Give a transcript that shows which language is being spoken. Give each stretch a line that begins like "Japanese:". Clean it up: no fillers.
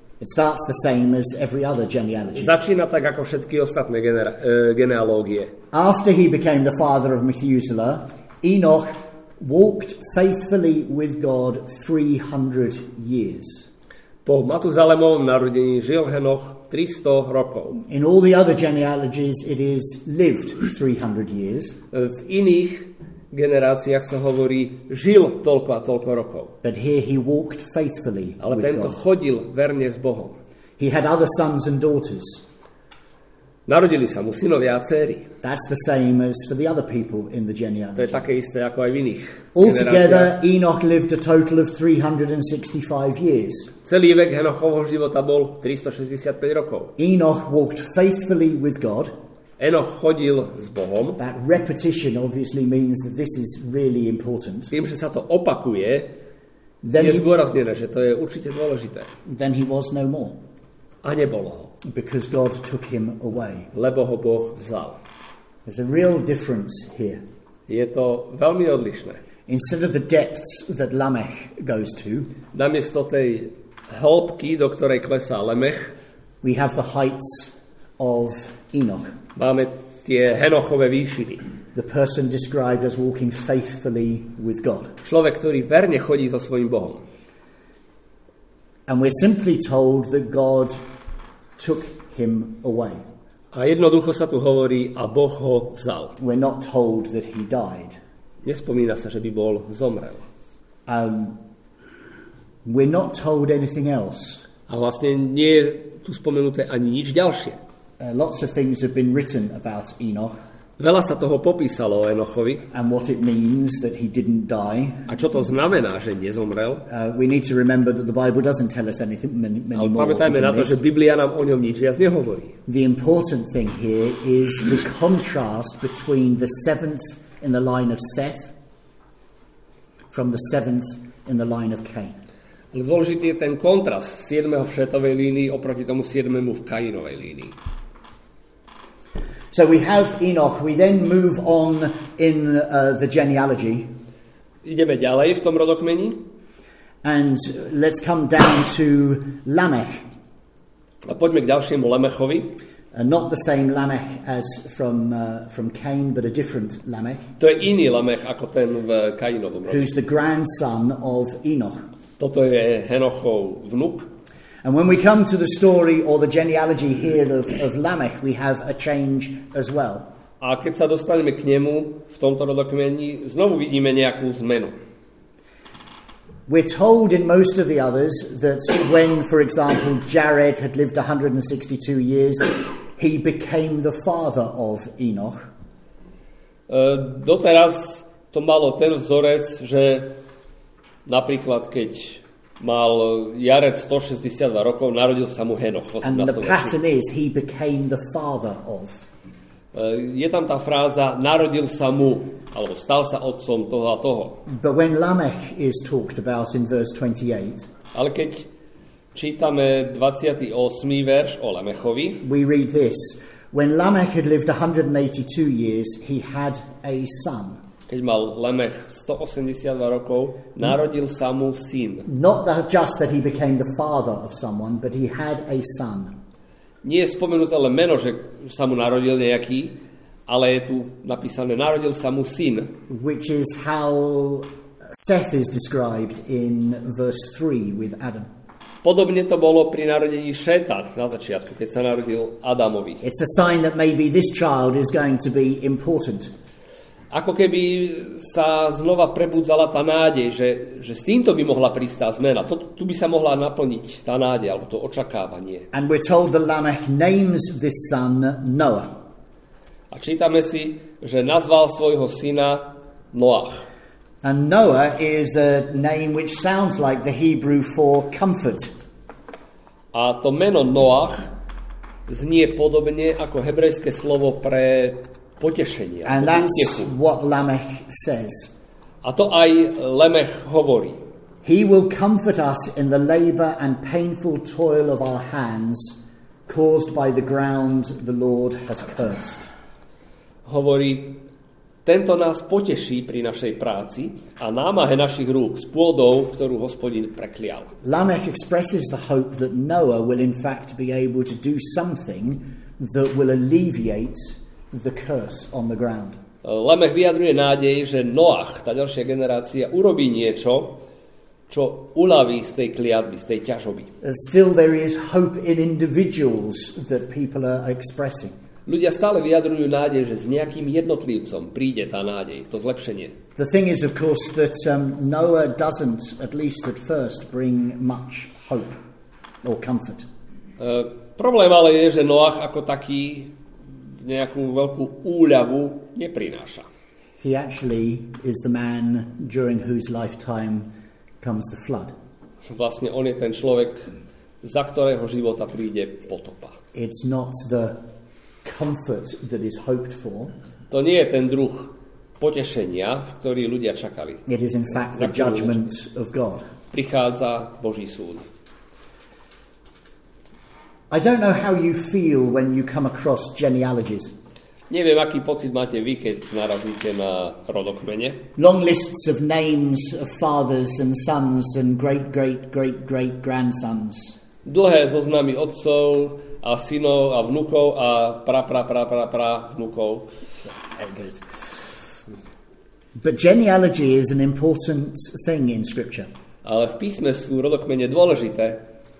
English: It starts the same as every other genealogy.
Slovak: Začína tak ako všetky ostatné genealógie.
English: After he became the father of Methuselah, Enoch walked faithfully with God 300 years.
Slovak: Po Matuzalemovom narodení žil Henoch 300 rokov.
English: In all the other genealogies it is lived 300 years.
Slovak: V iných generáciách sa hovorí žil toľko a toľko rokov.
English: But here he walked faithfully with God.
Slovak: Ale tento chodil verne s Bohom.
English: He had other sons and daughters.
Slovak: Narodili sa mu synovia a dcery.
English: That's the same as for the other people in the genealogy.
Slovak: To je také isté ako aj v iných.
English: Altogether Enoch lived a total of 365 years.
Slovak: Celý vek Henochovho života bol 365 rokov.
English: Enoch walked faithfully with God.
Slovak: Enoch chodil s Bohom.
English: That repetition obviously means that this is really important.
Slovak: Tým, že sa to opakuje,
English: then
Slovak: je zdôraznené, že to je určite dôležité.
English: Then he was no more.
Slovak: A nebolo ho.
English: Because God took him away.
Slovak: Lebo ho Boh vzal.
English: There's a real difference here.
Slovak: Je to veľmi odlišné.
English: Instead of the depths that Lamech goes to,
Slovak: namiesto tej hĺbky, do ktorej klesá Lamech,
English: we have the heights of Enoch.
Slovak: Máme tie Henochove výšiny.
English: The person described as walking faithfully with God.
Slovak: Človek, ktorý verne chodí so svojím Bohom.
English: And we're simply told that God took him away.
Slovak: A jednoducho sa tu hovorí, a Boh ho vzal.
English: We're not told that he died.
Slovak: Nespomína sa, že by bol zomrel.
English: We're not told anything else.
Slovak: A vlastne nie je tu spomenuté ani nič ďalšie.
English: Lots of things have been written about Enoch.
Slovak: Veľa sa toho popísalo o Enochovi.
English: And what it means that he didn't die.
Slovak: A čo to znamená, že nezomrel?
English: We need to remember that the Bible doesn't tell us anything many more.
Slovak: Ale pamätajme na to, že Biblia nám o ňom nič viac nehovorí.
English: The important thing here is the contrast between the seventh in the line of Seth from the seventh in the line of Cain.
Slovak: Ale dôležitý je ten kontrast siedmeho v Šetovej línii oproti tomu siedmemu v Kainovej línii.
English: So we have Enoch, we then move on in the genealogy.
Slovak: Ideme ďalej v tom rodokmení.
English: And let's come down to Lamech.
Slovak: A poďme k ďalšiemu Lamechovi.
English: Not the same Lamech as from Cain, but a different Lamech.
Slovak: To je iný Lamech ako ten v Kainovom rodokmení.
English: Who's the grandson of Enoch.
Slovak: Toto je Henochov vnuk.
English: And when we come to the story or the genealogy here of Lamech, we have a change as well.
Slovak: A keď sa dostaneme k nemu v tomto rodokmení, znovu vidíme nejakú zmenu.
English: We're told in most of the others that when, for example, Jared had lived 162 years, he became the father of Enoch.
Slovak: Doteraz to malo ten vzorec, že napríklad keď mal Jared 162 rokov, narodil sa mu Henoch.
English: And the pattern is, he became the father of.
Slovak: Je tam tá fráza, narodil sa mu, alebo stal sa otcom toho a toho.
English: But when Lamech is talked about in verse 28,
Slovak: ale keď čítame 28. verš o Lamechovi,
English: we read this, when Lamech had lived 182 years, he had a son.
Slovak: keď mal Lamech 182 rokov, narodil sa mu syn.
English: Not that just that he became the father of someone, but he had a son.
Slovak: Nie je spomenuté len meno, že sa mu narodil nejaký, ale je tu napísané, narodil sa mu syn.
English: Which is how Seth is described in verse 3 with Adam.
Slovak: Podobne to bolo pri narodení Šeta na začiatku, keď sa narodil Adamovi.
English: It's a sign that maybe this child is going to be important.
Slovak: Ako keby sa znova prebudzala tá nádej, že s týmto by mohla prísť tá zmena. Tu by sa mohla naplniť tá nádej, alebo to očakávanie.
English: And we're told that Lamech names this son Noah.
Slovak: A čítame si, že nazval svojho syna Noach.
English: And Noah is a name which sounds like the Hebrew for comfort.
Slovak: A to meno Noach znie podobne ako hebrejské slovo pre potešenie.
English: And that's what Lamech says.
Slovak: A to aj Lamech hovorí.
English: He will comfort us in the labor and painful toil of our hands caused by the ground the Lord has cursed.
Slovak: Hovorí, tento nás poteší pri našej práci a námahe našich rúk s pôdou, ktorú Hospodin preklial.
English: Lamech expresses the hope that Noah will in fact be able to do something that will alleviate the curse on the ground.
Slovak: Lamech vyjadruje nádej, že Noach, tá ďalšia generácia, urobí niečo, čo uľaví z tej kliatby, z tej ťažoby.
English: Still there is hope in individuals that people are expressing.
Slovak: Ľudia stále vyjadrujú nádej, že s nejakým jednotlivcom príde tá nádej, to zlepšenie.
English: The thing is of course that Noah doesn't at least at first bring much hope or comfort.
Slovak: Problém ale je, že Noach ako taký nejakú veľkú úľavu neprináša.
English: He actually is the man during whose lifetime comes the flood.
Slovak: Vlastne on je ten človek, za ktorého života príde potopa.
English: It's not the comfort that is hoped for.
Slovak: To nie je ten druh potešenia, ktorý ľudia čakali.
English: It is in fact the judgment of God.
Slovak: Prichádza Boží súd.
English: I don't know how you feel when you come across genealogies.
Slovak: Neviem, aký pocit máte vy, keď narazíte na rodokmene.
English: Long lists of names of fathers and sons and great great great great grandsons.
Slovak: Dlhé zoznamy otcov a synov a vnukov a pra pra pra pra pra vnukov.
English: But genealogy is an important thing in scripture.
Slovak: Ale v písme sú rodokmene dôležité.